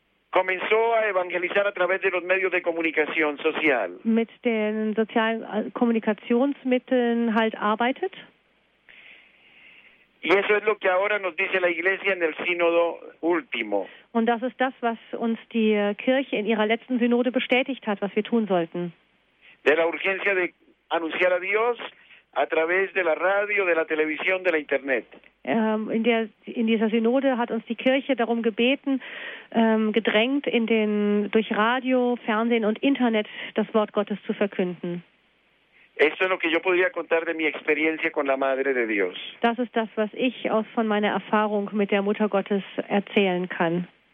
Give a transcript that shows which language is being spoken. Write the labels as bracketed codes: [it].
[es] comenzó a evangelizar a través de los medios de comunicación social. [de] Mit den sozialen Kommunikationsmitteln halt arbeitet. [es] Y eso es lo que ahora nos dice la Iglesia en el Sínodo último. [de] Und das ist das, was uns die Kirche in ihrer letzten Synode bestätigt hat, was wir tun sollten. [es] De la urgencia de anunciar a Dios a través de la radio, de la televisión, de la Internet. [de] In dieser Synode hat uns die Kirche darum gebeten, gedrängt, durch Radio, Fernsehen und Internet das Wort Gottes zu verkünden. [es] Esto es lo que yo podría contar de mi experiencia con la Madre de Dios. [de] Das ist das, was ich aus von meiner Erfahrung mit der Mutter Gottes erzählen kann.